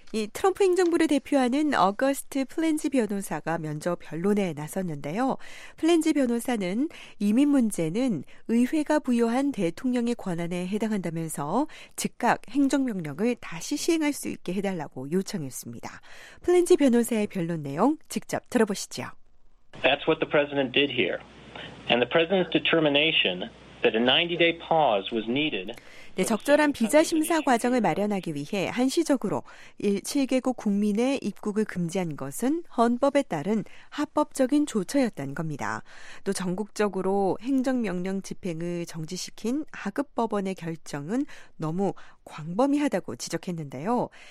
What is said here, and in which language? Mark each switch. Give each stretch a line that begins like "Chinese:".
Korean: 이 트럼프 행정부를 대표하는 어거스트 플렌지 변호사가 면접 변론에 나섰는데요. 플렌지 변호사는 이민 문제는 의회가 부여한 대통령의 권한에 해당한다면서 즉각 행정명령을 다시 시행할 수 있게 해달라고 요청했습니다. 플렌지 변호사의 변론 내용 직접 들어보시죠.
English: That's what the president did here. And the president's determination that a 90-day pause was needed.
Korean: 네, 적절한 비자 심사 과정을 마련하기 위해 한시적으로 7개국 국민의 입국을 금지한 것은 헌법에 따른 합법적인 조처였다는 겁니다. 또 전국적으로 행정명령 집행을 정지시킨 하급법원의 결정은 너무 광범위하다고 지적했는데요.